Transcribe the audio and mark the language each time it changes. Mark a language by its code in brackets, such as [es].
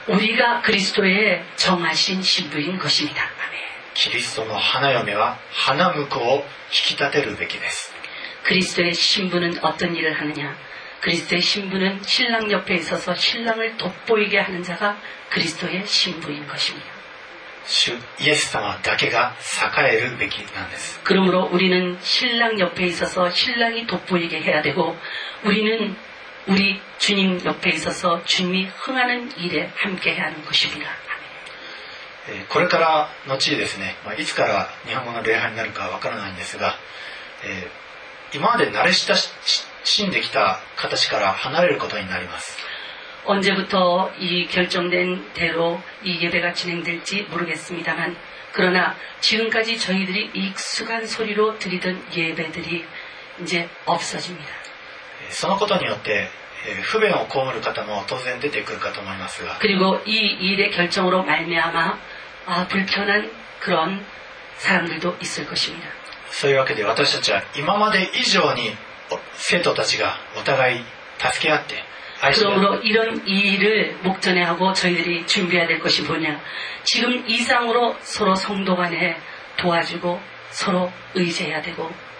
[ko] 우리가그리스도에정하신신부인것입니다。 아멘。 [ja] キリストの花嫁は花婿を引き立てるべきです。 [ko] 그리스도의신부는어떤일을하느냐。 그리스도의신부는신랑옆에있어서신랑을돋보이게하는자가그리스도의신부인것입니다。 [ja] 주예수様だけが栄えるべきなんです。 [ko] 그러므로우리는신랑옆에있어서신랑이돋보이게해야되고、우리는우리주님옆에있어서주님이흥하는일에함께해야하는것입니다。 [ja] これから後ですね、いつから日本語の礼拝になるかわからないんですが、今まで慣れ親しんできた形から離れることになります。 [ko] 언제부터이결정된대로이예배가진행될지모르겠습니다만、그러나지금까지저희들이익숙한소리로드리던예배들이이제없어집니다。 [ja] そのことによって不便を被る方も当然出てくるかと思いますが、 [ko] 그리고이일의결정으로말미암아불편한그런사람들도있을것입니다。 [ja] そういうわけで私たちは今まで以上に生徒たちがお互い助け合って愛し、 [ko] 그러므로이런이일을목전에하고저희들이준비해야될것이뭐냐、지금이상으로서로성도간에도와주고서로의지해야되고、